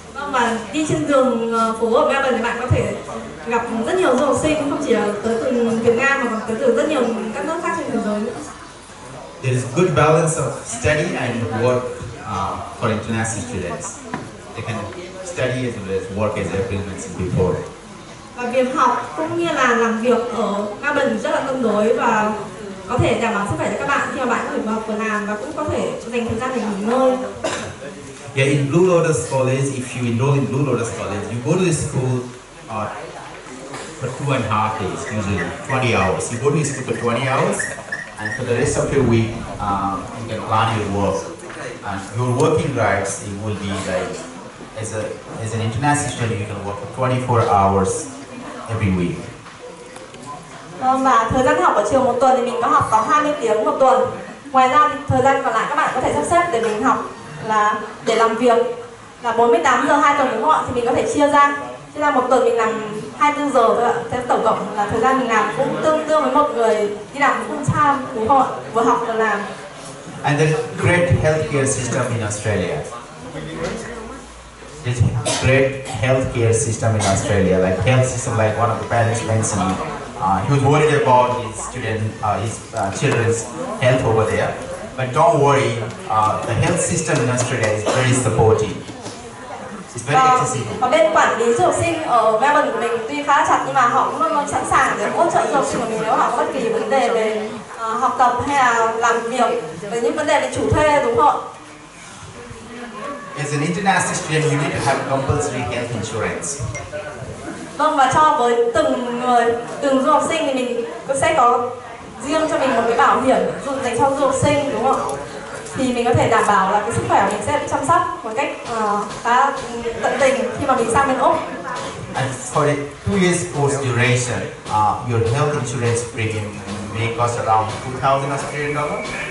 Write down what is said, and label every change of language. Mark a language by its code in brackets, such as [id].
[vi] Mà đi trên đường phố ở Melbourne thì bạn có thể gặp rất nhiều du học sinh, không chỉ tới từ Việt Nam mà còn tới từ rất nhiều các nước khác trên thế giới nữa. [en] There is good balance of study and work for international students. They can study as well as work as they've been mentioned before. [vi] Và việc học cũng như là làm việc ở Melbourne rất là cân đối và có thể đảm bảo sức khỏe cho các bạn khi mà bạn có thể học và làm và cũng có thể dành thời gian để nghỉ ngơi. [en] Yeah, in Blue Lotus College, if you enroll in Blue Lotus College, you go to the school for 2.5 days, usually 20 hours. You go to the school for 20 hours, and for the rest of your week, you can plan your work. And your working rights, it will be like, as an international student, you can work for 24 hours every week. [vi] Và thời gian học ở trường một tuần thì mình có học có 20 tiếng một tuần. Ngoài ra thì thời gian còn lại các bạn có thể sắp xếp để mình học là để làm việc là 48 giờ 2 tuần đúng không ạ? Thì mình có thể chia ra. Chia ra một tuần mình làm 24 giờ thôi ạ. Thế tổng cộng là thời gian mình làm cũng tương đương với một người đi làm full time đúng không ạ? Vừa học vừa làm. [en] And the great healthcare system in Australia. This great healthcare system in Australia, like health system, like one of the parents mentioned, he was worried about his student, his children's health over there. But don't worry, the health system in Australia is very supportive. It's very accessible. [vi] Bên quản lý du học sinh ở Melbourne của mình tuy khá chặt nhưng mà họ cũng luôn sẵn sàng để hỗ trợ du học sinh của mình nếu họ bất kỳ vấn đề về học tập hay là làm việc về những vấn đề về chủ thuê đúng không? [en] As an international student, you need to have compulsory health insurance. [vi] Vâng, và cho với từng người, từng du học sinh thì mình có sẽ có riêng cho mình một cái bảo hiểm dành cho du học sinh, đúng không? Thì mình có thể đảm bảo là cái sức khỏe mình sẽ chăm sóc một cách khá tận tình khi mà mình sang bên Úc. [en] And for the 2 years course duration, your health insurance premium may cost around $2,000.